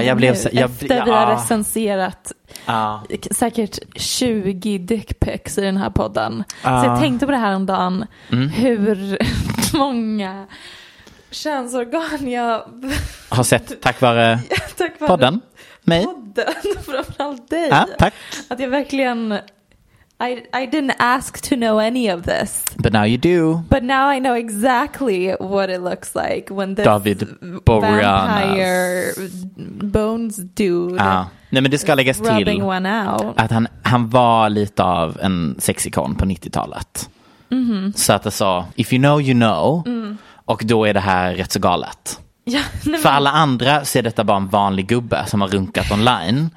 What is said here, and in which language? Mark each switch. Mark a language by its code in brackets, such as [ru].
[sv] Ja, jag blev, vi har recenserat säkert 20 dickpics i den här podden. Så jag tänkte på det här om dagen. Hur många könsorgan jag har sett tack vare, tack vare podden. Mig. Podden, framförallt dig. Ja, tack. Att jag verkligen... [en] I didn't ask to know any of this. But now you do. But now I know exactly what it looks like when this David vampire bones dude. Ah. [sv] Nej, men det ska läggas till att han var lite av en sexikon på 90-talet. Mm-hmm. Så att jag sa, [en] if you know, you know. [sv] Mm. Och då är det här rätt så galet. Ja, nej, för alla andra ser detta bara en vanlig gubbe som har runkat online.